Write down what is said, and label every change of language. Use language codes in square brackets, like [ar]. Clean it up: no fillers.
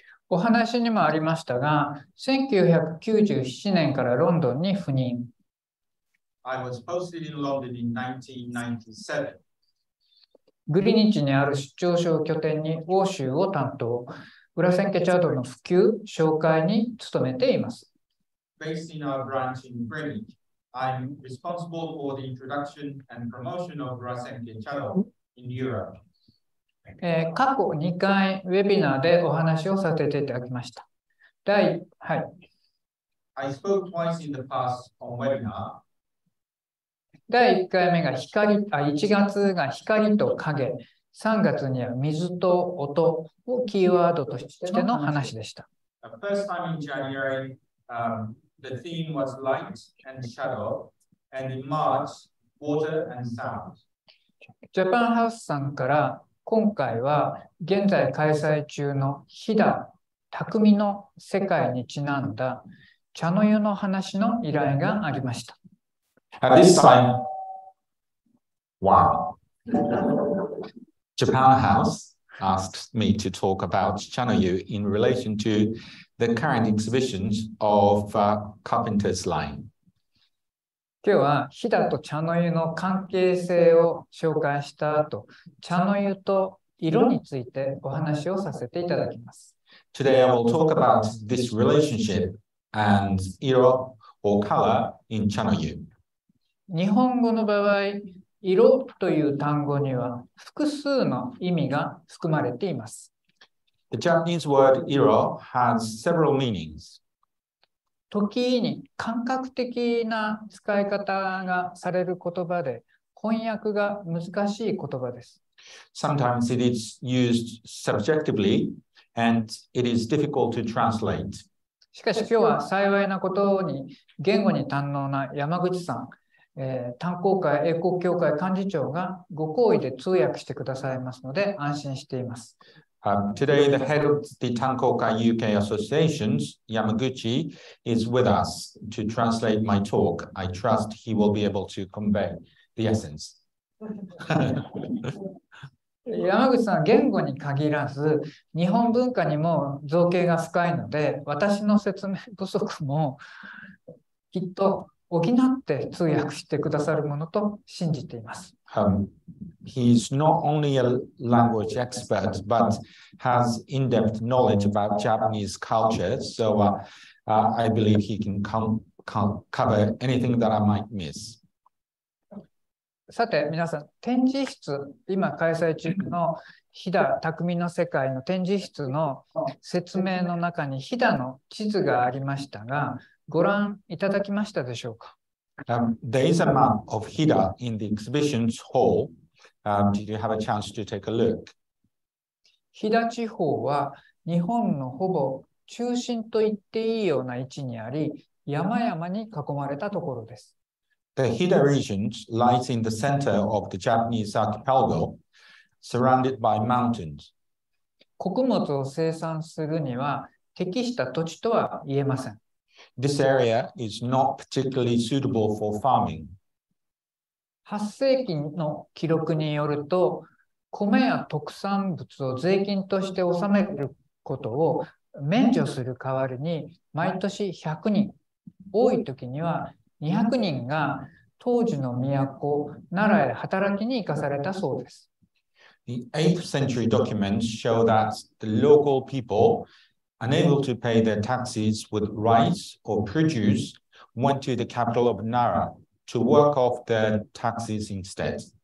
[ja] お話にもありましたが、1997年からロンドンに赴任。 [en] I was posted in London in 1997. [ja] グリニッチにある出張所を拠点に欧州を担当、ウラセンケチャドの普及、紹介に努めています。 [en] Based in our branch in Greenwich, I'm responsible for the introduction and promotion of Urasenke Chado in Europe. [ja] 過去2回ウェビナーでお話をさせていただきました。第1回。 [en] I spoke twice in the past on webinar. [ja] 第1回目が1月が光と影、3月には水と音をキーワードとしての話でした。 [en] The first time in January, the theme was light and shadow, and in March, water and sound. [ja] ジャパンハウスさんから今回は現在開催中の飛騨匠の世界にちなんだ茶の湯の話の依頼がありました。 [en] At this time, wow, Japan House asked me to talk about 茶の湯 in relation to the current exhibitions of Carpenters Line. [ja] 今日は飛騨と茶の湯の関係性を紹介した後、茶の湯と色についてお話をさせていただきます。 [en] Today I will talk about this relationship and 色 or color in 茶の湯。 [ja] 日本語の場合、色という単語には複数の意味が含まれています。 [en] The Japanese word 色 has several meanings. [ja] 時に感覚的な使い方がされる言葉で翻訳が難しい言葉です。 [en] Sometimes it is used subjectively and it is difficult to translate. [ja] しかし今日は幸いなことに言語に堪能な山口さん、炭鉱会英国協会幹事長がご厚意で通訳してくださいますので安心しています。 [en] Today, the head of the Tankōkai UK Associations, Yamaguchi, is with us to translate my talk. I trust he will be able to convey the essence. [ja] Yamaguchi-san, 言語に限らず、日本文化にも造詣が深いので、私の説明不足もきっと補って通訳してくださるものと信じています。 [en] He's not only a language expert, but has in-depth knowledge about Japanese culture. So I believe he can cover anything that I might miss. [ja] さて、皆さん、展示室、今開催中の飛騨匠の世界の展示室の説明の中に飛騨の地図がありましたが、ご覧いただきましたでしょうか？ [en] There is a map of Hida in the exhibition's hall. Did you have a chance to take a look? [ja] Hida 地方は日本のほぼ中心と言っていいような位置にあり、山々に囲まれたところです。 [en] The Hida region lies in the center of the Japanese archipelago, surrounded by mountains. [ja] 穀物を生産するには適した土地とは言えません。 [en] This area is not particularly suitable for farming. [ja] 8世紀の記録によると、米や特産物を税金として納めることを免除する代わりに、毎年100人、多い時には200人が当時の都、奈良へ働きに行かされたそうです。 [en] The 8th century documents show that the local people unable to pay their taxes with rice or produce, went to the capital of Nara to work off their taxes instead.